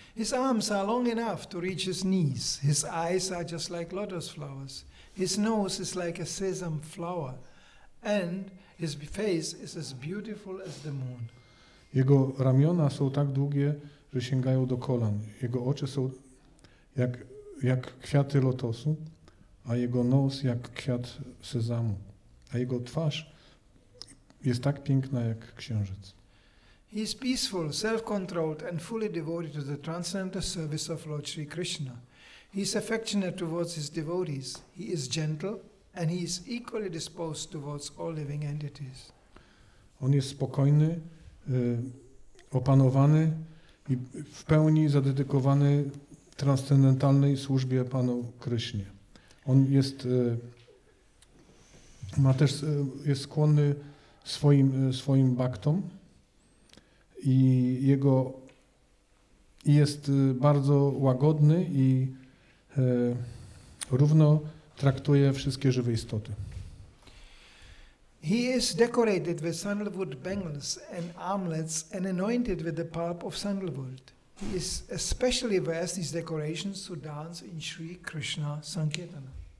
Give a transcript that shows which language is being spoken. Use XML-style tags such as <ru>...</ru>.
<en>His arms are long enough to reach his knees. His eyes are just like lotus flowers. His nose is like a sesame flower. And his face is as beautiful as the moon.</en> <pl>Jego ramiona są tak długie, że sięgają do kolan. Jego oczy są jak kwiaty lotosu, a jego nos jak kwiat sezamu. A jego twarz jest tak piękna jak księżyc.</pl> <en>He is peaceful, self-controlled and fully devoted to the transcendental service of Lord Sri Krishna. He is affectionate towards his devotees. He is gentle and he is equally disposed towards all living entities.</en> <pl>On jest spokojny, opanowany i w pełni zadedykowany transcendentalnej służbie Panu Krishnie. On jest ma też jest skłonny swoim baktom. I jego jest bardzo łagodny i równo traktuje wszystkie żywe istoty.</pl> <en>He is decorated with sandalwood bangles and armlets and anointed with the pulp of sandalwood. He is especially versed in decorations to dance in Sri Krishna Sankirtana.</en>